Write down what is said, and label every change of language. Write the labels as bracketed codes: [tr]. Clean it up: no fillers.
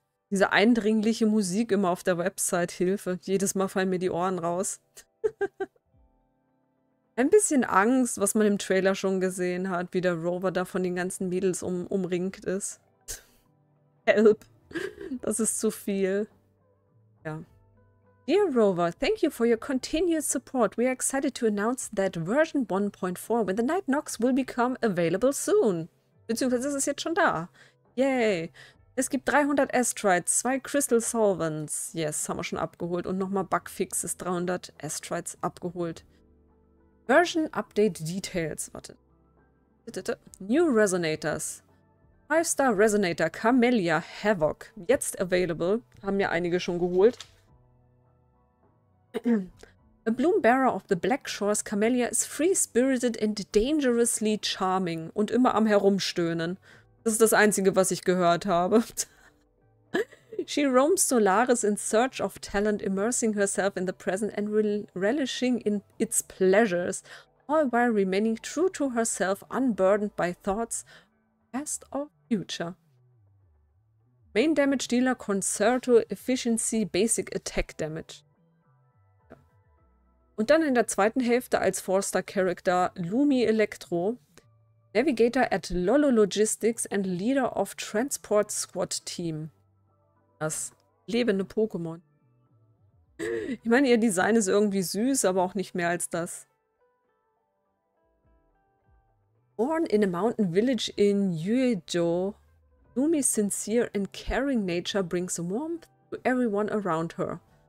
[de] Diese eindringliche Musik immer auf der Website. Hilfe. Jedes Mal fallen mir die Ohren raus. Ein bisschen Angst, was man im Trailer schon gesehen hat, wie der Rover da von den ganzen Mädels umringt ist. [en] Help. [de] Das ist zu viel. Ja. [en] Dear Rover, thank you for your continued support. We are excited to announce that version 1.4 when the Night Knocks will become available soon. [de] Beziehungsweise es ist jetzt schon da. Yay. Es gibt 300 Astrides, 2 Crystal Solvents. Yes, haben wir schon abgeholt. Und nochmal Bugfixes, 300 Astrides abgeholt. [en] Version Update Details. [de] Warte. [en] New Resonators. 5-Star Resonator Camellia Havoc. [de] Jetzt [en] available. [de] Haben ja einige schon geholt. [en] The Bloombearer of the Black Shores Camellia is free-spirited and dangerously charming. [de] Und immer am Herumstöhnen. Das ist das Einzige, was ich gehört habe. [en] She roams Solaris in search of talent, immersing herself in the present and relishing in its pleasures, all while remaining true to herself, unburdened by thoughts past or future. Main Damage Dealer, Concerto Efficiency, Basic Attack Damage. [de] Und dann in der zweiten Hälfte als 4-Star Character Lumi Electro. [en] Navigator at Lolo Logistics and Leader of Transport Squad Team. [de] Das lebende Pokémon. Ich meine, ihr Design ist irgendwie süß, aber auch nicht mehr als das. [en] Born in a mountain village in Yuezhou, Lumi's sincere and caring nature brings warmth to everyone around her.